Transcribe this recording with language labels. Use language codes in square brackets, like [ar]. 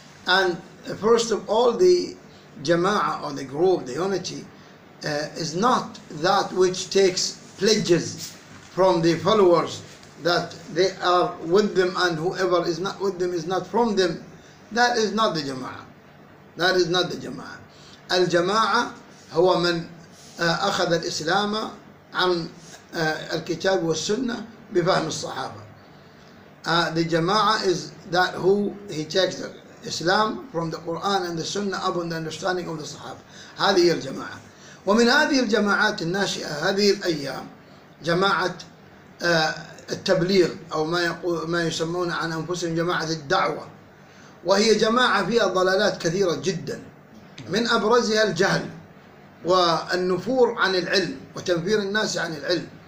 [en] And first of all, the جماعة or the group, the unity, is not that which takes pledges from the followers that they are with them, and whoever is not with them is not from them. That is not the جماعة. That is not the جماعة. [ar] الجماعة هو من أخذ الإسلام عن الكتاب والسنة بفهم الصحابة. [en] The جماعة is that who he takes the Islam from the Quran and the Sunnah upon the understanding of the Sahaba. [ar] هذه هي الجماعة. ومن هذه الجماعات الناشئة هذه الأيام جماعة التبليغ، أو ما يسمون عن أنفسهم جماعة الدعوة، وهي جماعة فيها ضلالات كثيرة جدا، من أبرزها الجهل والنفور عن العلم وتنفير الناس عن العلم.